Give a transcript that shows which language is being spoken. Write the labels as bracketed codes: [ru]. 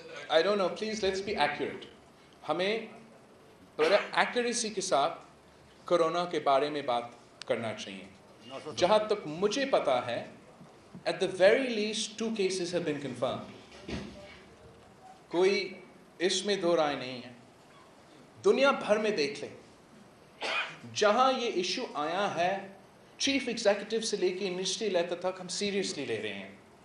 [en] I don't know, please let's be accurate. [hi] हमें बड़ा accuracy के साथ कोरोना के बारे में बात करना चाहिए। जहाँ तक मुझे पता है, [en] at the very least 2 cases have been confirmed. [hi] कोई इसमें दो राय नहीं है। दुनिया भर में देख लें, जहाँ ये इशू आया है, चीफ एग्जीक्यूटिव से लेके इंडस्ट्री लेवल तक हम सीरियसली ले रहे हैं।